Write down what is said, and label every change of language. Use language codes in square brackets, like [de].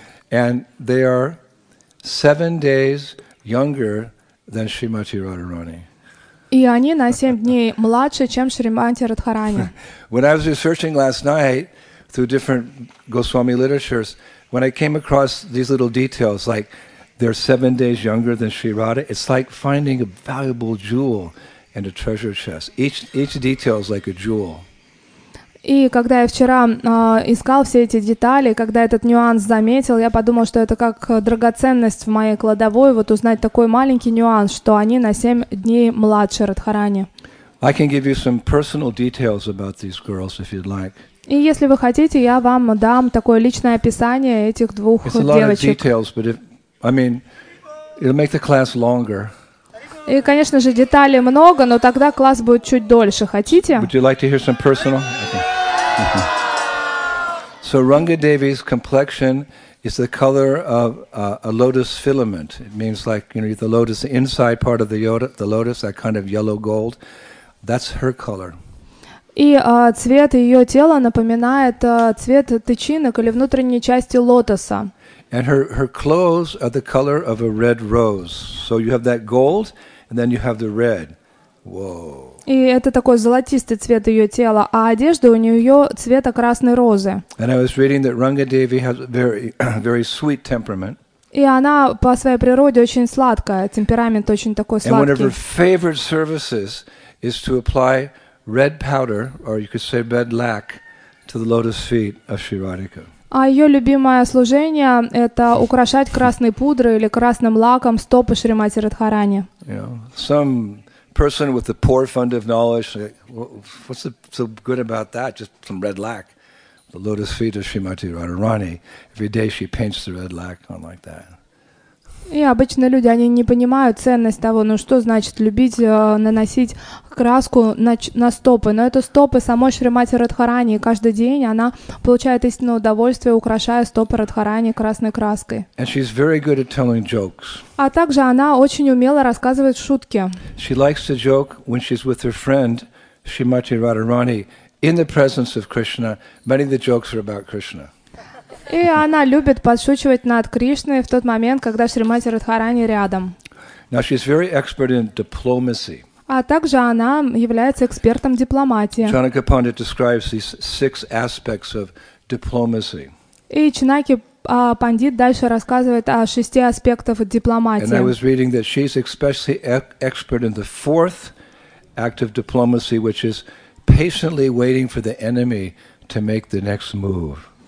[en] And they are 7 days younger than Srimati Radharani. [ru] И они на 7 дней младше, чем Шримати Радхарани. [en] When I was researching last night through different Goswami literatures, when I came across these little details, like they're 7 days younger than Sri Radha, it's like finding a valuable jewel in a treasure chest. Each detail is like a jewel. [ru] И когда я вчера искал все эти детали, когда этот нюанс заметил, я подумал, что это как драгоценность в моей кладовой, вот узнать такой маленький нюанс, что они на 7 дней младше Радхарани. [en] I can give you some personal details about these girls, if you'd like. [ru] И если вы хотите, я вам дам такое личное описание этих двух [en] It's [ru] девочек. [en] It's a lot of details, but if, I mean, it'll make the class longer. [ru] И, конечно же, деталей много, но тогда класс будет чуть дольше. Хотите? [en] Would you like to hear some personal? So Ranga Devi's complexion is the color of a lotus filament. It means like, you know, the lotus, the inside part of the lotus, that kind of yellow gold. That's her color. [ru] И цвет ее тела напоминает цвет тычинок или внутренней части лотоса. [en] And her clothes are the color of a red rose. So you have that gold, and then you have the red. Whoa. [ru] И это такой золотистый цвет ее тела, а одежда у нее цвета красной розы. [en] And I was reading that Ranga Devi has a very, very sweet temperament. [ru] И она по своей природе очень сладкая, темперамент очень такой сладкий. [en] And one of her favorite services is to apply red powder, or you could say red lac, to the lotus feet of Sri Radhika. [ru] А ее любимое служение – это украшать красной пудрой или красным лаком стопы Шримати Радхарани. [en] You know, some person with a poor fund of knowledge, what's so good about that? Just some red lac. The lotus feet of Shrimati Radharani. Every day she paints the red lac on like that. [ru] И обычно люди, они не понимают ценность того, ну что значит любить наносить краску на стопы. Но это стопы самой Шримати Радхарани. И каждый день она получает истинное удовольствие, украшая стопы Радхарани красной краской. [en] And she's very good at telling jokes. [ru] А также она очень умело рассказывает шутки. [en] She likes to joke when she's with her friend Shrimati Radharani in the presence of Krishna. Many of the jokes are about Krishna. [ru] И она любит подшучивать над Кришной в тот момент, когда Шримати Радхарани рядом. [en] Now she's very expert in diplomacy. [ru] А также она является экспертом дипломатии. [en] Chanaka Pandit describes these six aspects of diplomacy. [ru] И Чанаки Пандит дальше рассказывает о шести аспектах дипломатии. [en] And I was reading that she's especially expert in the fourth act of diplomacy, which is patiently waiting for the enemy to make the next move.